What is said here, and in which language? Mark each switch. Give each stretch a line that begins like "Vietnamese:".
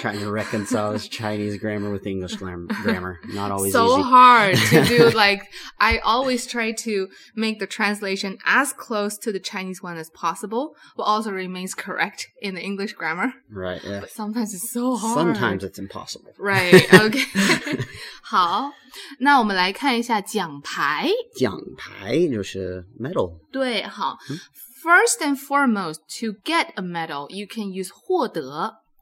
English: Trying to reconcile this Chinese grammar with English grammar. Not always so easy. So hard to do. Like, I always try to make the translation as close to the Chinese one as possible, but also remains correct in the English grammar. Right, yeah. But sometimes it's so hard. Sometimes it's impossible. Right, okay.
Chinese: 好那我们来看一下奖牌奖牌就是
English: medal 对好、嗯、First and foremost, to get a medal, you can use 获得